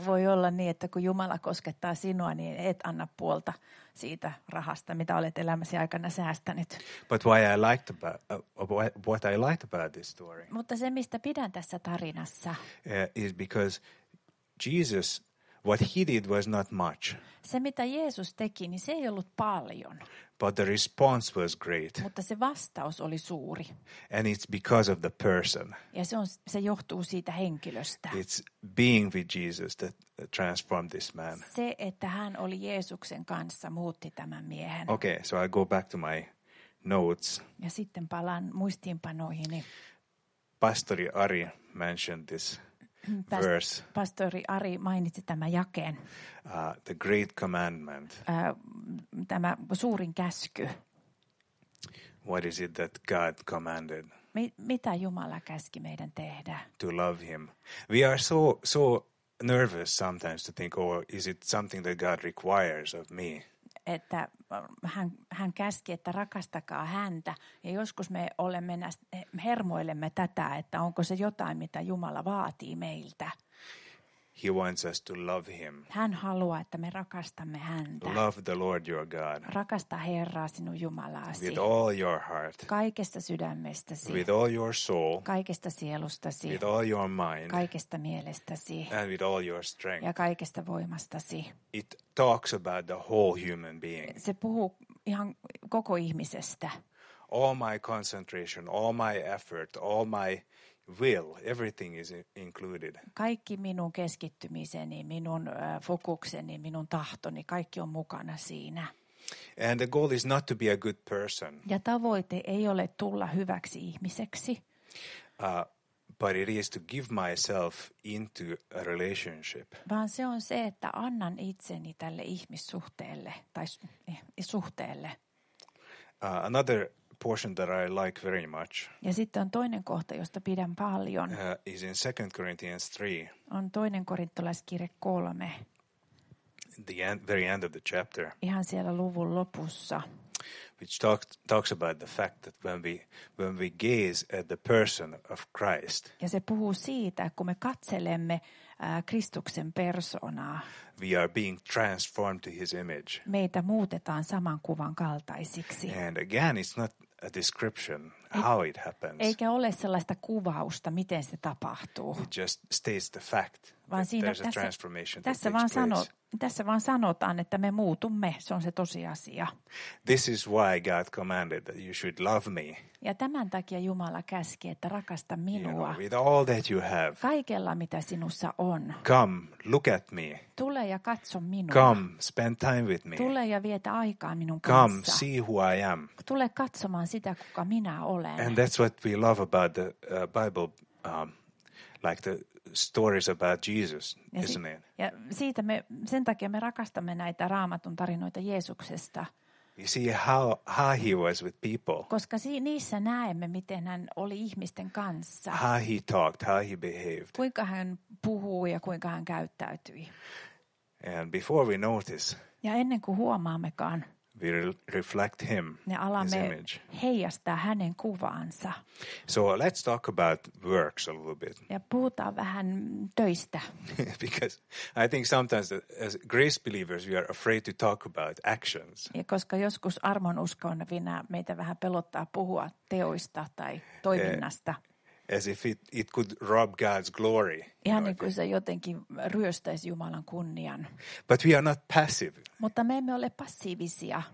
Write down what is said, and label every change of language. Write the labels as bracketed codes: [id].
[fi] Koska voi olla niin, että kun Jumala koskettaa sinua, niin et anna puolta siitä rahasta, mitä olet elämäsi aikana säästänyt. [en] But why I liked what I liked about this story. [fi] Mutta se, mistä pidän tässä tarinassa. [en] Is because Jesus, what he did was not much. [fi] Se, mitä Jeesus teki, niin se ei ollut paljon. [en] But the response was great. [fi] Mutta se vastaus oli suuri. [en] And it's because of the person. [fi] Ja se johtuu siitä henkilöstä. [en] It's being with Jesus that transformed this man. [fi] Se, että hän oli Jeesuksen kanssa, muutti tämän miehen. [en] Okay, so I go back to my notes. [fi] Ja sitten palaan muistiinpanoihini. [en] Pastori Ari mentioned this verse. [fi] Pastori Ari mainitsi tämän jakeen. [en] The great commandment. [fi] Tämä suurin käsky. [en] What is it that God commanded? [fi] Mitä Jumala käski meidän tehdä? [en] To love him. We are so nervous sometimes to think, oh, is it something that God requires of me? [fi] Että hän käski, että rakastakaa häntä. Ja joskus me olemme hermoilemme tätä, että onko se jotain, mitä Jumala vaatii meiltä. [en] He wants us to love him. [fi] Hän haluaa, että me rakastamme häntä. [en] Love the Lord your God. [fi] Rakasta Herraa, sinun Jumalaasi. [en] With all your heart. [fi] Kaikesta sydämestäsi. [en] With all your soul. [fi] Kaikesta sielustasi. [en] With all your mind. [fi] Kaikesta mielestäsi. [en] And with all your strength. [fi] Ja kaikesta voimastasi. [en] It talks about the whole human being. [fi] Se puhuu ihan koko ihmisestä. [en] All my concentration, all my effort, all my will, everything is included. [fi] Kaikki minun keskittymiseni, minun fokukseni, minun tahtoni, kaikki on mukana siinä. [en] And the goal is not to be a good person. [fi] Ja tavoite ei ole tulla hyväksi ihmiseksi. [en] But it is to give myself into a relationship. [fi] Vaan se on se, että annan itseni tälle ihmissuhteelle tai suhteelle. [en] Another portion that I like very much. [fi] Ja sitten on toinen kohta, josta pidän paljon. [en] Is in 2 Corinthians 3. [fi] On toinen korintolaiskirje 3. [en] The very end of the chapter. [fi] Ihan siellä luvun lopussa. [en] which talks about the fact that when we gaze at the person of Christ. [fi] Ja se puhuu siitä, kun me katselemme Kristuksen persoonaa. [en] We are being transformed to his image. [fi] Meitä muutetaan saman kuvan kaltaisiksi. [en] And again, it's not a description how it happens. [fi] Eikä ole sellaista kuvausta, miten se tapahtuu. [en] It just states the fact [fi] vaan [en] that there's a transformation that takes place. [fi] Tässä vaan sanotaan, että me muutumme. Se on se tosiasia. [en] This is why God commanded that you should love me. [fi] Ja tämän takia Jumala käski, että rakasta minua. [en] You know, with all that you have. [fi] Kaikella, mitä sinussa on. [en] Come, look at me. [fi] Tule ja katso minua. [en] Come, spend time with me. [fi] Tule ja vietä aikaa minun [en] Come, [fi] kanssa. [en] Come, see who I am. [fi] Tule katsomaan sitä, kuka minä olen. [en] And that's what we love about the Bible, like the stories about Jesus, isn't it? [fi] Ja siitä me, sen takia me rakastamme näitä Raamatun tarinoita Jeesuksesta. [en] You see how he was with people. [fi] Koska niissä näemme, miten hän oli ihmisten kanssa. [en] How he talked, how he behaved. [fi] Kuinka hän puhui ja kuinka hän käyttäytyi. [en] And before we notice. [fi] Ja ennen kuin huomaammekaan. [en] We reflect him, [fi] ne alamme [en] his image. [fi] Heijastaa hänen kuvaansa. [en] So let's talk about works a little bit. [fi] Ja puhutaan vähän töistä. [en] Because I think sometimes as grace believers we are afraid to talk about actions. [fi] Ja koska joskus armon uskonvina meitä vähän pelottaa puhua teoista tai toiminnasta. [en] As if it could rob God's glory. [fi] Ihan niin kuin se jotenkin ryöstäisi Jumalan kunnian. [en] But we are not passive. [fi] Mutta me emme ole passiivisia.